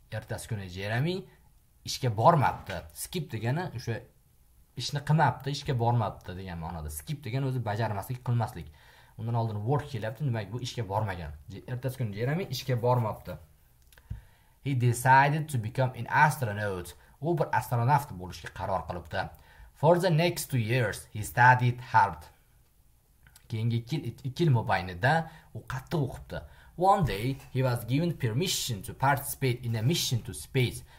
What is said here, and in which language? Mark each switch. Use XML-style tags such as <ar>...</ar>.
<uz>Ertasi kuni Jeremy ishga bormabdi. Skip degani o'sha ishni qilmabdi, ishga bormabdi degan ma'noda. Skip degani o'zi bajarmaslik, qilmaslik. Undan oldin work kelyapti, demak bu ishga bormagan. Ertasi kuni Jeremy ishga bormabdi.</uz> <en>He decided to become an astronaut.</en> <uz>U bir astronaut bo'lishga qaror qilibdi.</uz> <en>For the next 2 years he studied hard.</en> <uz>Keyingi 2 yil mobaynida u qattiq o'qibdi.</uz> <en>One day he was given permission to participate in a mission to space.</en>